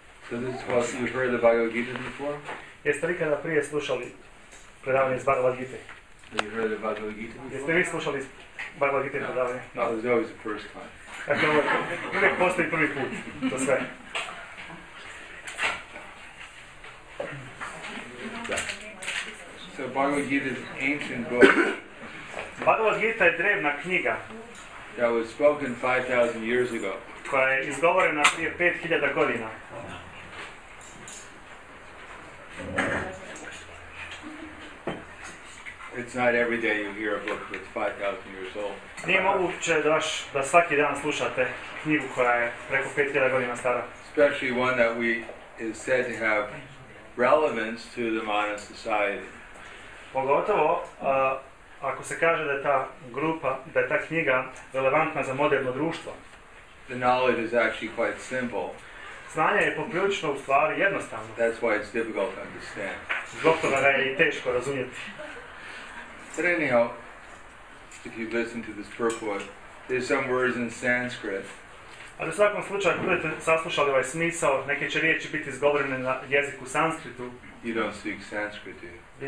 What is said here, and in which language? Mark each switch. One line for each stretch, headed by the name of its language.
English: So this is what you've heard the Bhagavad Gita before?
Bosnian: Jeste li kada prije slušali predavanje iz Bhagavad Gita?
English: You've heard the Bhagavad Gita before?
Bosnian: Jeste li slušali Bhagavad Gita predavanje?
English: No, it was always the first time.
Bosnian: Uvijek postoji prvi put, to sve.
English: So Bhagavad Gita is an ancient book.
Bosnian: Bhagavad Gita je drevna knjiga.
English: That was spoken 5,000 years ago.
Bosnian: Koja je izgovorena prije 5,000 godina.
English: It's not every day you hear a book that's 5,000 years old.
Bosnian: Nije moguće da svaki dan slušate knjigu koja je preko 5,000 godina stara.
English: Especially one that we is said to have relevance to the modern society.
Bosnian: Pogotovo ako se kaže da je ta grupa, da je ta knjiga relevantna za moderno društvo.
English: The knowledge is actually quite simple.
Bosnian: Znanje je poprilično u stvari jednostavno.
English: That's why it's difficult to understand.
Bosnian: Zbog toga ga je i teško razumjeti.
English: But anyhow, if you listen to this purport, there's some words in Sanskrit.
Bosnian: Ali u svakom slučaju, ako budete saslušali ovaj smisao, neke će riječi biti izgovorene na jeziku sanskritu.
English: You don't speak Sanskrit, do you?